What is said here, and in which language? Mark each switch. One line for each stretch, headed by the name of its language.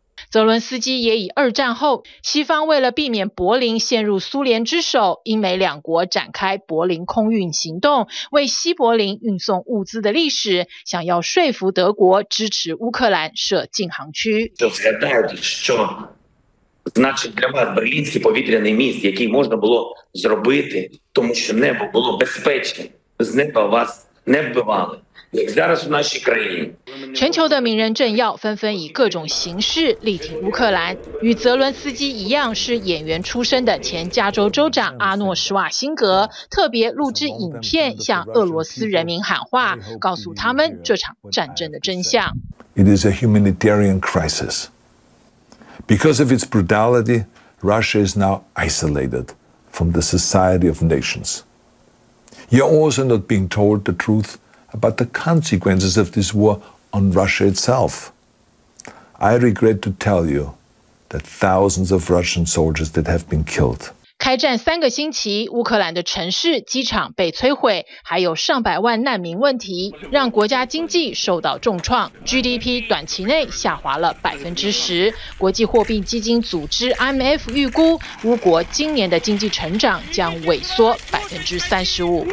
Chinese: 泽伦斯基也以二战后西方为了避免柏林陷入苏联之手，英美两国展开柏林空运行动，为西柏林运送物资的历史，想要说服德国支持乌克兰设禁航区。
Ukrainian: Значить для вас Берлінський повітряний міст, який можна було зробити, тому що небо було безпечне, з неба вас не вбивали.
Chinese: 全球的名人政要纷纷以各种形式力挺乌克兰。与泽伦斯基一样是演员出身的前加州州长阿诺·施瓦辛格特别录制影片向俄罗斯人民喊话，告诉他们这场战争的真相。
English: It is a humanitarian crisis. Because of its brutality, Russia is now isolated from the society of nations. You're also not being told the truthabout the consequences of this war on Russia itself. I regret to tell you that thousands of Russian soldiers that have been killed.
Chinese: 开战三个星期，乌克兰的城市、机场被摧毁，还有上百万难民问题，让国家经济受到重创， GDP 短期内下滑了10%。国际货币基金组织 IMF 预估，乌国今年的经济成长将萎缩35%。